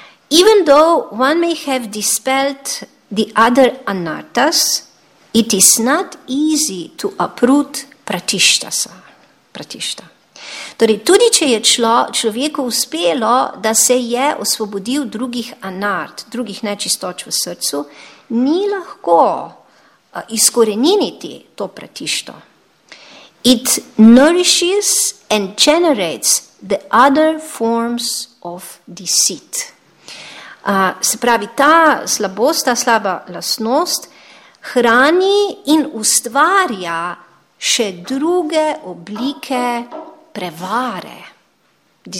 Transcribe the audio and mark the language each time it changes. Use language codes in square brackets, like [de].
[en] Even though one may have dispelled the other anartas, it is not easy to uproot pratishtha. [sl] Torej, tudi če je človeku uspelo, da se je osvobodil drugih anart, drugih nečistoč v srcu, ni lahko izkoreniniti to pratišto. [en] It nourishes and generates the other forms of deceit. [sl] Se pravi, ta slabost, ta slaba lastnost hrani in ustvarja še druge oblike prevare.